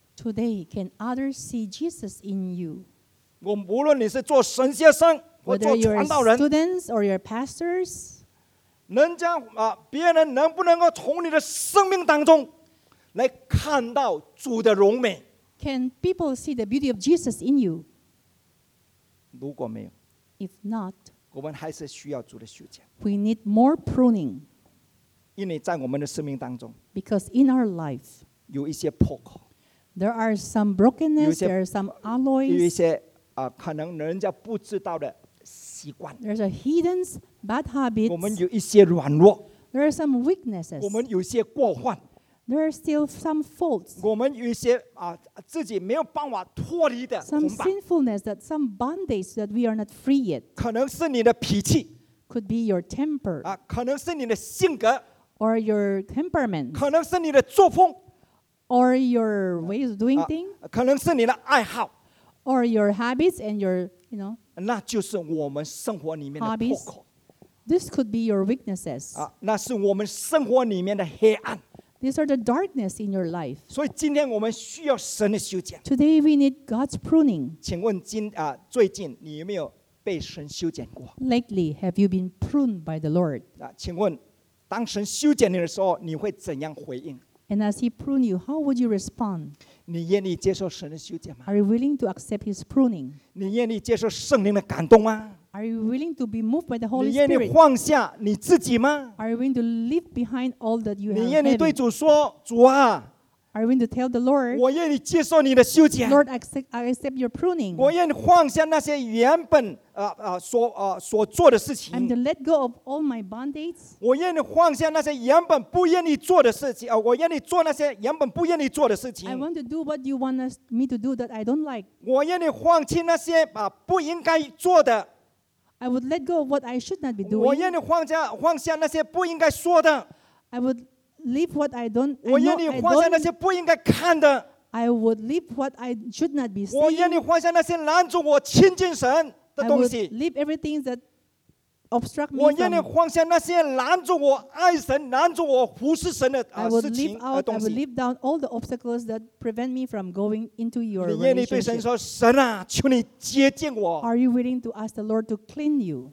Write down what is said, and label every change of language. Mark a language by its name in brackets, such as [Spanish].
[English] ？Today， can others see Jesus in you？ [Chinese] 我无论你是做神学生。 [English] Whether you're students or your pastors, [Chinese] 能将啊别人能不能够从你的生命当中来看到主的荣美 [English] ？Can people see the beauty of Jesus in you? [Chinese] 如果没有 [English] ，If not, [Chinese] 我们还是需要主的修剪。 [English] We need more pruning. [Chinese] 因为在我们的生命当中 [English] ，Because in our life, [Chinese] 有一些破口 [English] ，There are some brokenness, there are some alloys, [Chinese] 有一些啊可能人家不知道的。 [English] There's a hidden bad habit. [Chinese] 我们有一些软弱。 [English] There are some weaknesses. [Chinese] 我们有些过患。 [English] There are still some faults. [Chinese] 我们有一些啊自己没有办法脱离的捆绑。 [English] Some sinfulness that some bondage that we are not free yet. [Chinese] 可能是你的脾气。 [English] Could be your temper. [Chinese] 啊，可能是你的性格。 [English] Or your temperament. [Chinese] 可能是你的作风。 [English] Or your ways of doing things. [Chinese] 可能是你的爱好。 [English] Or your habits and your, you know. [Chinese] 那就是我们生活里面的破口。 [English] This could be your weaknesses. [Chinese] 啊，那是我们生活里面的黑暗。 [English] These are the darkness in your life. [Chinese] 所以今天我们需要神的修剪。 [English] Today we need God's pruning. [Chinese] 请问今啊，最近你有没有被神修剪过 [English] ？Lately, have you been pruned by the Lord? [Chinese] 啊，请问当神修剪你的时候，你会怎样回应 [English] ？And as He prunes you, how would you respond? [Chinese] 你愿意接受神的修剪吗 [English] ？Are you willing to accept His pruning？ [Chinese] 你愿意接受圣灵的感动吗 [English] ？Are you willing to be moved by the Holy Spirit？ [Chinese] 你愿意放下你自己吗 [English] ？Are you willing to leave behind all that you have？ [Chinese] 你愿意对主说，主啊 [English] ？Are you willing to tell the Lord？ [Chinese] 我愿意接受你的修剪。 [English] Lord, I accept your pruning。 [Chinese] 我愿意放下那些原本所做的事情。 [English] I'm to let go of all my bondage。 [Chinese] 我愿意放下那些原本不愿意做的事情我愿意做那些原本不愿意做的事情。 [English] I want to do what you want me to do that I don't like。 [Chinese] 我愿意放弃那些不应该做的。 [English] I would let go of what I should not be doing。 [Chinese] 我愿意放下那些不应该说的。 [English] I would leave what I don't。 [Chinese] 我愿意放下那些不应该看的。 [English] I would leave what I should not be seeing。 [Chinese] 我愿意放下那些拦阻我亲近神。 [English] I would leave everything that obstruct me from. [Chinese] 我愿意放下那些拦住我爱神、拦住我服侍神的事情和东西。 [English] I would leave down all the obstacles that prevent me from going into your relationship. [Chinese] 你愿意对神说：“神啊，求你洁净我。” [English] Are you willing to ask the Lord to clean you?